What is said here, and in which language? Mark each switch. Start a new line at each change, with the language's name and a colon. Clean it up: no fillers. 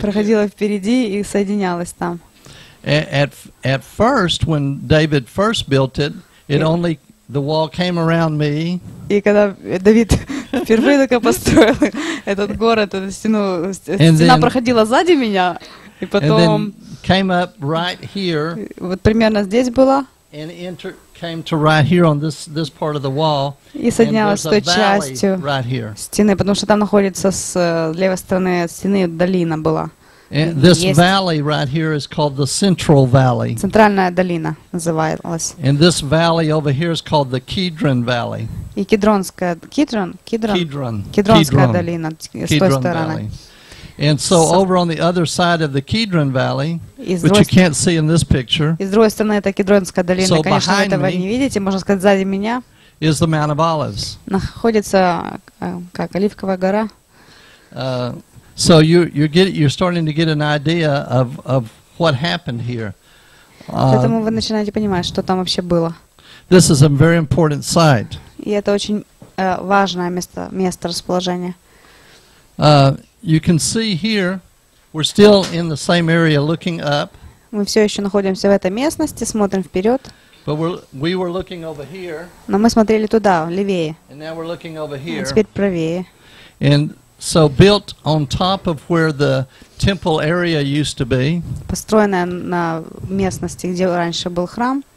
Russian: Проходила впереди и соединялась там.
English: At first, when David first built it, the wall came around me.
Russian: И когда Давид впервые только построил этот город, эту стену, стена проходила сзади меня, и потом
English: came up right here.
Russian: Вот примерно здесь была.
English: And came to right here on this part of the wall.
Russian: И соединялась с той частью стены, потому что там находится с левой стороны стены долина была.
English: And this valley right here is called the Central Valley.
Russian: Центральная долина называлась.
English: And this valley over here is called the Кедрон Valley.
Russian: И Кедронская долина с той стороны.
English: And so over on the other side of the Кедрон Valley, which you can't see in this picture.
Russian: И с другой стороны это Кедронская долина, конечно, этого не видите, можно сказать, сзади меня.
English: Is the Mount of Olives.
Russian: Находится как Оливковая гора.
English: So you're starting to get an idea of what happened here.
Russian: Поэтому вы начинаете понимать, что там вообще было.
English: This is a very important site.
Russian: И это очень важное место расположения.
English: You can see here we're still in the same area looking up.
Russian: Мы все еще находимся в этой местности, смотрим вперед.
English: But we were looking over here.
Russian: Но мы смотрели туда, левее.
English: And now we're looking over here.
Russian: А теперь правее.
English: And so built on top of where the temple area used to be.
Russian: Построенная на местности, где раньше был храм.